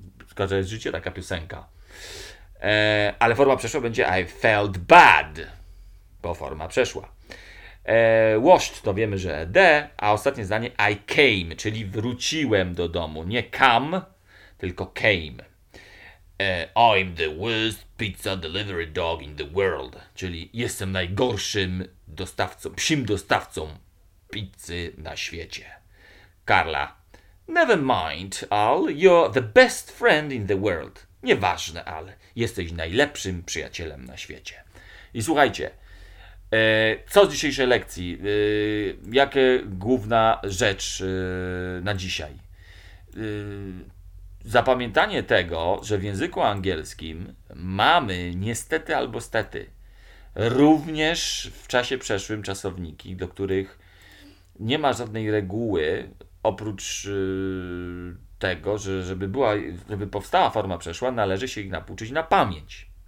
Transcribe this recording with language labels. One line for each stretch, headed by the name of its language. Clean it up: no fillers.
Polish: Skoro jest życie, taka piosenka. Ale forma przeszła będzie
English: I felt bad.
Polish: Bo forma przeszła. Washed to wiemy, że ed, a ostatnie zdanie
English: I came,
Polish: czyli wróciłem do domu. Nie come, tylko came.
English: I'm the worst pizza delivery dog in the world.
Polish: Czyli jestem najgorszym dostawcą, psim dostawcą pizzy na świecie. Karla.
English: Never mind, Al, you're the best friend in the world.
Polish: Nieważne, Al, jesteś najlepszym przyjacielem na świecie. I słuchajcie, co z dzisiejszej lekcji? Jaka główna rzecz na dzisiaj? Zapamiętanie tego, że w języku angielskim mamy niestety albo stety również w czasie przeszłym czasowniki, do których nie ma żadnej reguły oprócz tego, że żeby powstała forma przeszła, należy się ich nauczyć na pamięć.